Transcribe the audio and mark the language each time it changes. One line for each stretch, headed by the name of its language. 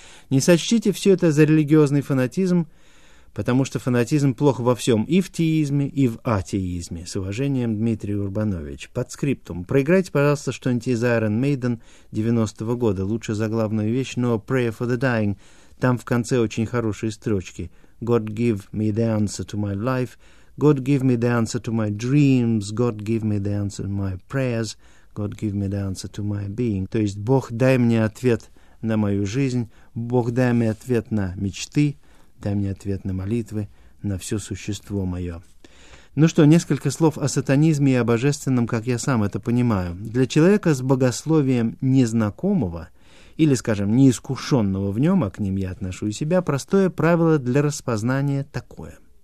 Russian: Не сочтите все это за религиозный фанатизм, потому что фанатизм плох во всем и в теизме, и в атеизме. С уважением, Дмитрий Урбанович. Подскриптум. Проиграйте, пожалуйста, что-нибудь из Iron Maiden 90-го года. Лучше заглавную вещь, но Prayer for the Dying. Там в конце очень хорошие строчки.
English: God give me the answer to my life. God give me the answer to my dreams. God give me the answer to my prayers. God give me the answer to my being.
Russian: То есть, Бог, дай мне ответ на мою жизнь. Бог, дай мне ответ на мечты. Дай мне ответ на молитвы, на все существо мое. Ну что, несколько слов о сатанизме и о божественном, как я сам это понимаю. Для человека с богословием незнакомого, или, скажем, неискушенного в нем, а к ним я отношу и себя, простое правило для распознания такое.